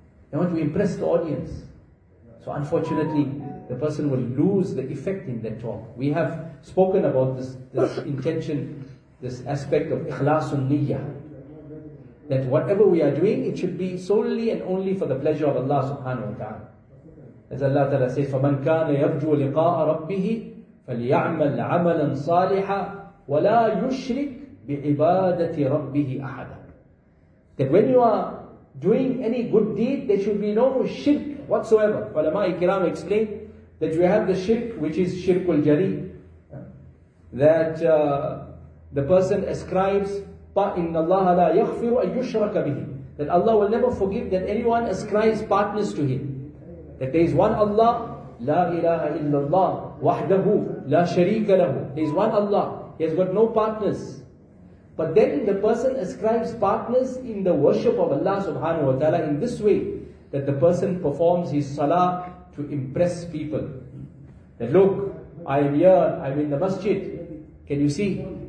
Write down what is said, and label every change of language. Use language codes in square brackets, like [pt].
[en] They want to impress the audience. So unfortunately, the person will lose the effect in that talk. We have spoken about this intention, this aspect of ikhlasun niyyah. That whatever we are doing, it should be solely and only for the pleasure of Allah subhanahu wa ta'ala. As Allah Ta'ala says, [ar] فَمَنْ كَانَ يَرْجُوا لِقَاءَ رَبِّهِ فَلْيَعْمَلْ عَمَلًا صَالِحًا وَلَا يُشْرِكْ بِعِبَادَةِ رَبِّهِ أَحَدًا. [en] That when you are doing any good deed, there should be no shirk whatsoever. Ulama-i kiram explained that we have the shirk, which is shirkul jari, that the person ascribes, [ar] إِنَّ اللَّهَ لَا يَغْفِرُ أَن يُشْرَكَ بِهِ, [en] that Allah will never forgive that anyone ascribes partners to Him. That there is one Allah, [ar] لا إله إلا الله وحده لا شريك له. [en] There is one Allah, He has got no partners. But then the person ascribes partners in the worship of Allah subhanahu wa ta'ala in this way, that the person performs his salah to impress people. That look, I am here, I am in the masjid. Can you see?